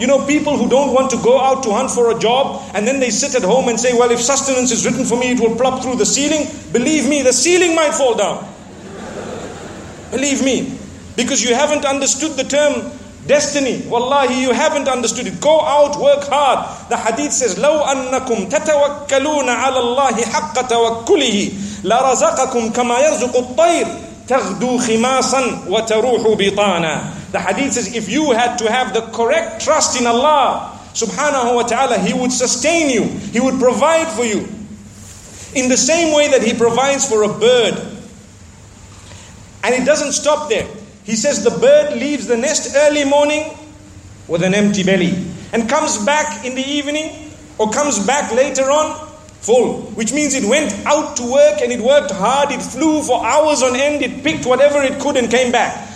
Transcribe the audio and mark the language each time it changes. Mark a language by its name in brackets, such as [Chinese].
[English] You know, people who don't want to go out to hunt for a job and then they sit at home and say, well, if sustenance is written for me, it will plop through the ceiling. Believe me, the ceiling might fall down. Believe me. Because you haven't understood the term destiny. Wallahi, you haven't understood it. Go out, work hard. The hadith says, [Arabic] لَوْ أَنَّكُمْ تَتَوَكَّلُونَ عَلَى اللَّهِ حَقَّ تَوَكُّلِهِ لَرَزَقَكُمْ كَمَا يَرْزُقُ الطَّيْرِ تَغْدُو خِمَاسًا وَتَرُوحُ بِطَانًا. [English] The hadith says, if you had to have the correct trust in Allah subhanahu wa ta'ala, He would sustain you. He would provide for you. In the same way that He provides for a bird. And it doesn't stop there. He says the bird leaves the nest early morning with an empty belly and comes back in the evening or comes back later on full, which means it went out to work and it worked hard, it flew for hours on end, it picked whatever it could and came back.